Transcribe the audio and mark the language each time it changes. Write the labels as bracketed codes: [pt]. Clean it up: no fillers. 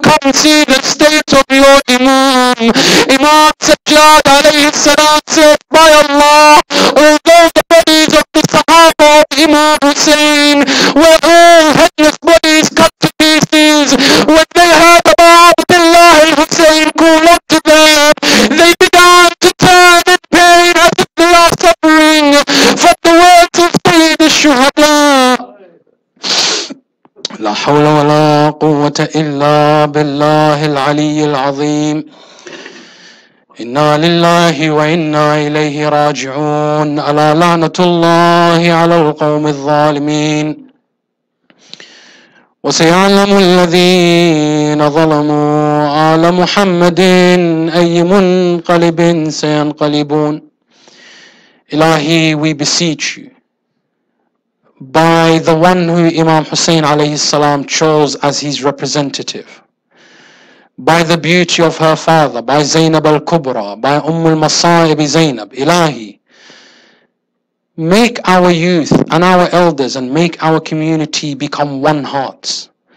[en] Come see the state of your Imam." Imam Sajjad alayhi salam said, "By Allah, although the bodies of the Sahaba of Imam Hussein were all headless bodies cut to pieces, when they heard about Abdullah al-Hussein call up to them, they began to turn in pain as if they are suffering from the words of Sayyid al-Shuhada." [ar] لا حول ولا قوة إلا بالله العلي العظيم. إنا لله وإنا إليه راجعون. ألا لعنة الله على القوم الظالمين. وسيعلم الذين ظلموا آل محمد أي منقلب سينقلبون. [en] إلهي, we beseech you, by the one who Imam Hussein alayhi salam chose as his representative, by the beauty of her father, by Zainab al-Kubra, by Umm al-Masaib Zainab, Ilahi, make our youth and our elders and make our community become one heart.